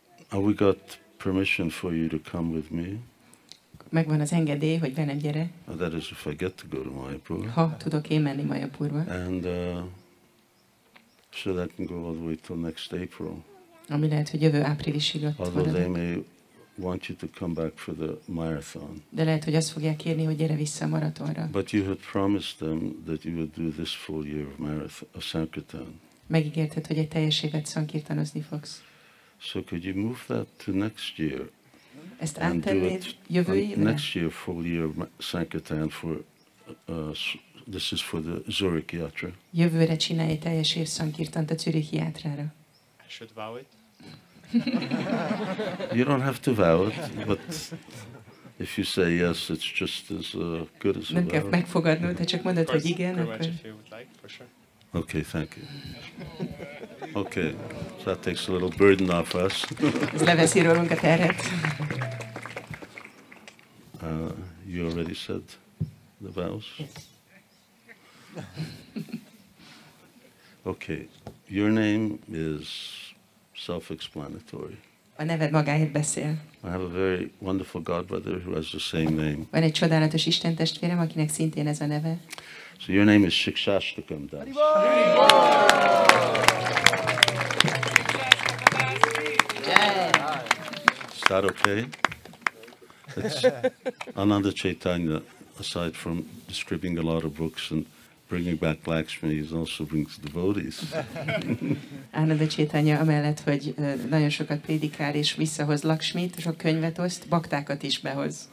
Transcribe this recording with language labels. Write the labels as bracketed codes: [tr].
[en] Have we got permission for you to come with me? [hu] Megvan az engedély, hogy velem gyere. [en] That is if I get to go to Mayapur. [hu] Ha tudok én menni Mayapurba. [en] And so that can go all the way till next April. [hu] Ami lehet, hogy jövő áprilisig ott [en] although [hu] maradok. [en] They may want you to come back for the marathon. [hu] De lehet, hogy azt fogják kérni, hogy gyere vissza a maratonra. [en] But you had promised them that you would do this full year of marathon, of sankirtan. [hu] Megígérted, hogy egy teljes évet szankirtanozni fogsz. [en] So could you move that to next year? [hu] Ezt áttennéd jövő évre? [en] Next year, full year of sankirtan for, this is for the Zurich Yatra. [hu] Jövőre csinálj egy teljes év szankirtant a Zurich Yatrára. [en] Should vow it? You don't have to vow it, but if you say yes, it's just as good as a vow. [hu] Nem kell megfogadnod, ha csak mondod, hogy igen, akkor... [en] Of course, if you would like, for sure. Okay, thank you. Okay, so that takes a little burden off us. [hu] Ez leveszi rólunk a terhet. [en] You already said the vows? Okay. Your name is self-explanatory. [hu] A neved magáért beszél. [en] I have a very wonderful godbrother who has the same name. [hu] Van egy csodálatos Isten testvérem, akinek szintén ez a neve. [en] So your name is Shikshashtakam Das. Is that okay? It's Ananda Chaitanya, aside from distributing a lot of books and bringing back Lakshmi, he also brings devotees. [hu] Ananda Chaitanya amellett, hogy nagyon sokat prédikál és visszahoz Lakshmit, sok könyvet oszt, baktákat is behoz.